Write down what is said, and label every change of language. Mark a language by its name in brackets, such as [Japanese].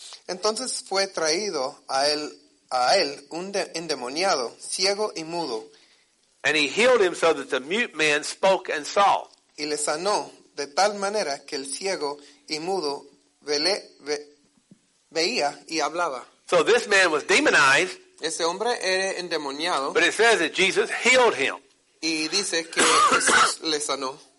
[Spanish] Entonces fue traído a él un endemoniado, ciego y mudo. [English] And he healed him so that the mute man spoke and saw. [Spanish] Y le sanó de tal manera que el ciego y mudo veía y hablaba. [English] So this man was demonized. [Spanish] Ese hombre era endemoniado. [English] But it says that Jesus healed him. [Spanish] Y dice que Jesús le sanó.